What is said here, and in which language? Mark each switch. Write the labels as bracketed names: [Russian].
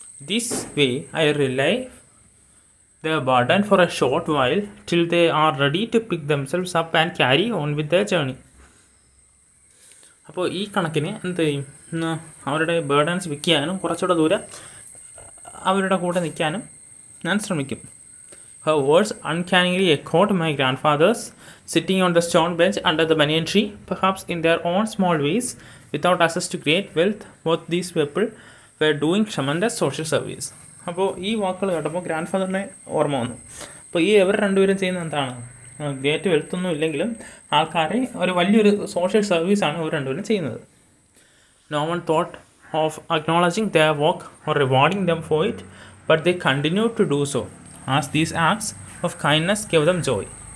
[English] This way I rely the burden for a short while till they are ready to pick themselves up and carry on with the journey. [Malayalam] അപ്പോൾ ഈ കണക്കിന് എന്ത് ചെയ്യും, അവരുടെ burdens വിൽക്കാനും കുറച്ചുകൂടെ ദൂരം അവരുടെ കൂടെ നിൽക്കാനും ഞാൻ ശ്രമിക്കും. [English] Her words uncannily echoed my grandfather's, sitting on the stone bench under the banyan tree, perhaps in their own small ways, without access to great wealth, both these people were doing tremendous social service. [Malayalam] അപ്പോൾ ഈ വാക്കുകൾ കേട്ടപ്പോൾ ഗ്രാൻഡ്ഫാദറിനെ ഓർമ്മ വന്നു. അപ്പോൾ ഈ ഇവർ രണ്ടുപേരും ചെയ്യുന്നത് എന്താണ്, ഗ്രേറ്റ് വെൽത്ത് ഒന്നും ഇല്ലെങ്കിലും ആൾക്കാരെ ഒരു വലിയൊരു സോഷ്യൽ സർവീസാണ് ഇവർ രണ്ടുപേരും ചെയ്യുന്നത്. [English] No one thought of acknowledging their work or rewarding them for it, but they continue to do so as these acts of kindness give them joy.